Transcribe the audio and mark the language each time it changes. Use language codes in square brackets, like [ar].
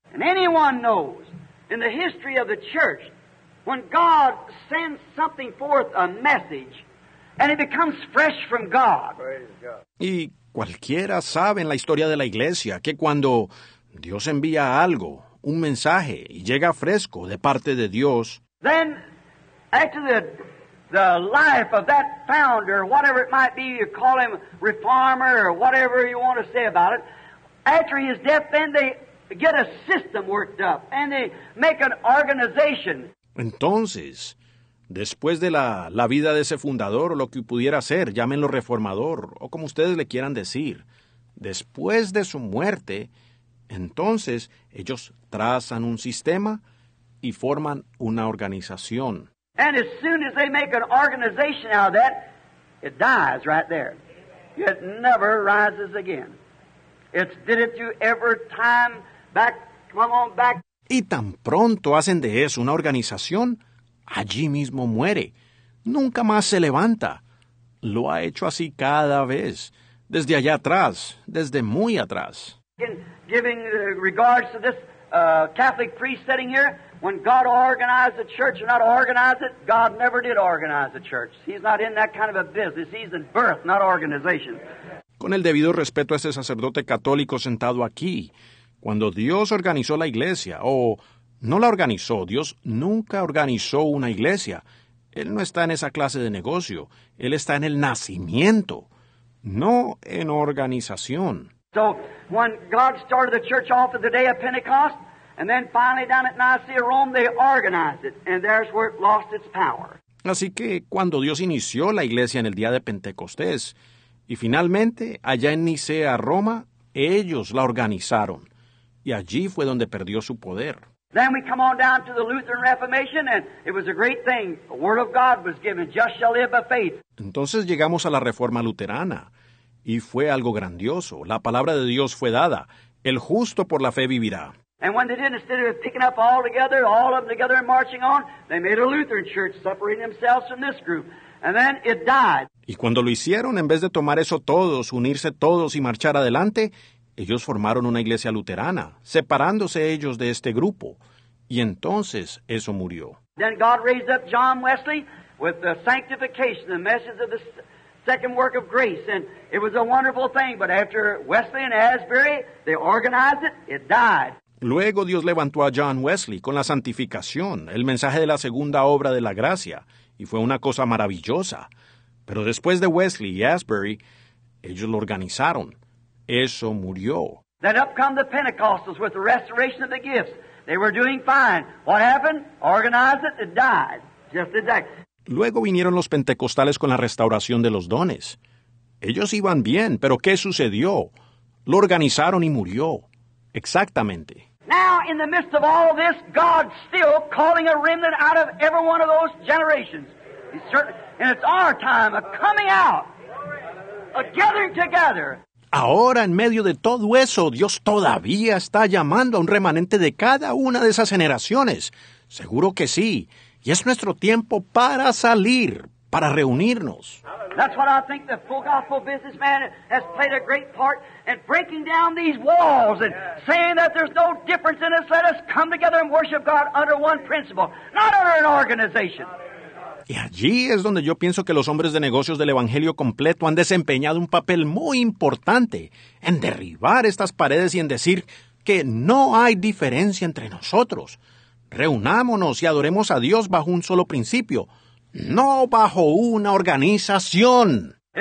[en] And anyone knows, in the history of the church, when God sends something forth, a message, and it becomes fresh from God. [es] Y cualquiera sabe en la historia de la iglesia que cuando Dios envía algo, un mensaje y llega fresco de parte de Dios. [en] Then, after the life of that founder, whatever it might be, you call him reformer or whatever you want to say about it, after his death, then they get a system worked up and they make an organization. [es] Entonces, después de la vida de ese fundador o lo que pudiera ser, llámenlo reformador o como ustedes le quieran decir, después de su muerte, entonces, ellos trazan un sistema y forman una organización. [en] And as soon as they make an organization out of that, it dies right there. It never rises again. It's did it through every time, back, come on back. [es] y tan pronto hacen de eso una organización, allí mismo muere. Nunca más se levanta. Lo ha hecho así cada vez, desde allá atrás, desde muy atrás. [en] Giving regards to this Catholic priest sitting here, when God organized the church or not organized it, God never did organize the church. He's not in that kind of a business. He's in birth, not organization. [es] Con el debido respeto a este sacerdote católico sentado aquí, cuando Dios organizó la iglesia, o no la organizó, Dios nunca organizó una iglesia. Él no está en esa clase de negocio. Él está en el nacimiento, no en organización. [en] So, when God started the church off at the day of Pentecost, and then finally down at Nicaea, Rome, they organized it, and there's where it lost its power. [es] Así que, cuando Dios inició la iglesia en el día de Pentecostés, y finalmente, allá en Nicea, Roma, ellos la organizaron. Y allí fue donde perdió su poder. [en] Then we come on down to the Lutheran Reformation, and it was a great thing. The word of God was given, just shall live by faith. [es] Entonces llegamos a la Reforma Luterana, y fue algo grandioso. La palabra de Dios fue dada. El justo por la fe vivirá. [en] And when they did, instead of picking up all of them together and marching on, they made a Lutheran church, separating themselves from this group. And then it died. [es] Y cuando lo hicieron, en vez de tomar eso todos, unirse todos y marchar adelante, ellos formaron una iglesia luterana, separándose ellos de este grupo. Y entonces eso murió. [en] Then God raised up John Wesley with the sanctification, the message of the second work of grace. And it was a wonderful thing. But after Wesley and Asbury, they organized it, it died. [es] Luego Dios levantó a John Wesley con la santificación, el mensaje de la segunda obra de la gracia. Y fue una cosa maravillosa. Pero después de Wesley y Asbury, ellos lo organizaron. Eso murió. [en] Then up come the Pentecostals with the restoration of the gifts. They were doing fine. What happened? Organized it, it died. Just exactly. [es] Luego vinieron los pentecostales con la restauración de los dones. Ellos iban bien, pero ¿qué sucedió? Lo organizaron y murió. Exactamente. [en] Now, in the midst of all of this, God's still calling a remnant out of every one of those generations. And it's our time, a coming out, a gathering together. [es] Ahora, en medio de todo eso, Dios todavía está llamando a un remanente de cada una de esas generaciones. Seguro que sí. Y es nuestro tiempo para salir, para reunirnos. [en] That's what I think the full gospel businessman has played a great part in breaking down these walls and saying that there's no difference in us. Let us come together and worship God under one principle, not under an organization. [es] Y allí es donde yo pienso que los hombres de negocios del Evangelio completo han desempeñado un papel muy importante en derribar estas paredes y en decir que no hay diferencia entre nosotros. Reunámonos y adoremos a Dios bajo un solo principio, no bajo una organización.